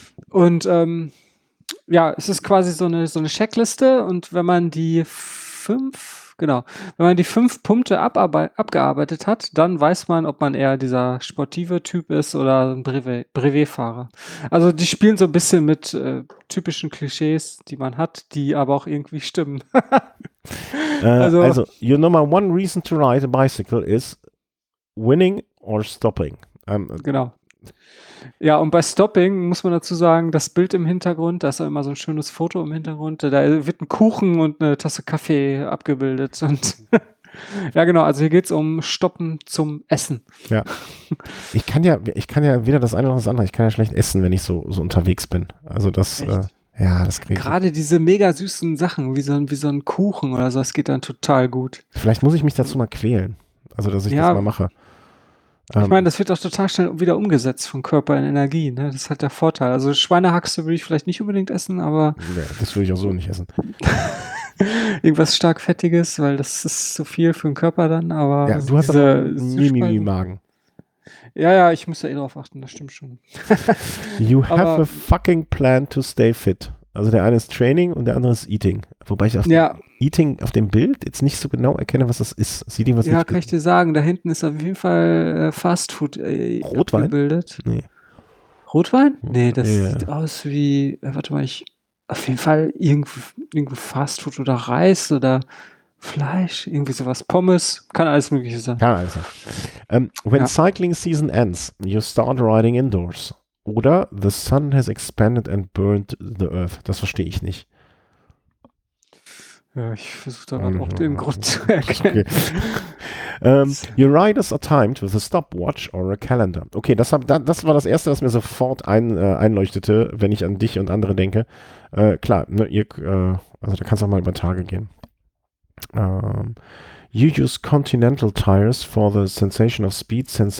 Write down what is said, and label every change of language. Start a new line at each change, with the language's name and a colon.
German: Und es ist quasi so eine Checkliste, und wenn man die fünf Punkte abgearbeitet hat, dann weiß man, ob man eher dieser sportive Typ ist oder ein Brevet-Fahrer. Also die spielen so ein bisschen mit typischen Klischees, die man hat, die aber auch irgendwie stimmen. also,
English: your number one reason to ride a bicycle is winning or stopping.
German: Genau. Ja, und bei Stopping muss man dazu sagen, das Bild im Hintergrund, da ist auch immer so ein schönes Foto im Hintergrund, da wird ein Kuchen und eine Tasse Kaffee abgebildet. Und ja, genau, also hier geht es um Stoppen zum Essen. Ja, ich kann ja weder das eine noch das andere, ich kann ja schlecht essen, wenn ich so unterwegs bin. Also das, das kriege ich. Gerade diese mega süßen Sachen, wie so ein Kuchen oder so, das geht dann total gut. Vielleicht muss ich mich dazu mal quälen, also dass ich das mal mache. Ich meine, das wird auch total schnell wieder umgesetzt von Körper in Energie, ne? Das ist halt der Vorteil. Also Schweinehaxe würde ich vielleicht nicht unbedingt essen, aber... Ja, das würde ich auch so nicht essen. Irgendwas stark Fettiges, weil das ist so viel für den Körper dann, aber... Ja, du hast aber Mimimi-Magen. Ja, ich muss da eh drauf achten, das stimmt schon.
English: You have
German: aber
English: a fucking plan to stay fit.
German: Also der eine ist Training und der andere ist Eating. Wobei ich Eating auf dem Bild jetzt nicht so genau erkenne, was das ist. Sieht irgendwas nicht? Ja, kann ich dir sagen. Da hinten ist auf jeden Fall Fast Food Rotwein? Abgebildet. Nee. Rotwein? Nee, das sieht aus wie, warte mal, ich auf jeden Fall irgendwo Fast Food oder Reis oder Fleisch, irgendwie sowas. Pommes, kann alles Mögliche sein. Kann alles sein.
English: When cycling season ends, you start riding indoors.
German: Oder
English: the sun has expanded and burned the earth.
German: Das verstehe ich nicht. Ja, ich versuche da auch den Grund zu erkennen. Okay.
English: Your riders are timed with a stopwatch or a calendar.
German: Okay, das war das Erste, was mir sofort einleuchtete, wenn ich an dich und andere denke. Klar, ne, da kannst du auch mal über Tage gehen.
English: You use continental tires for the sensation of speed.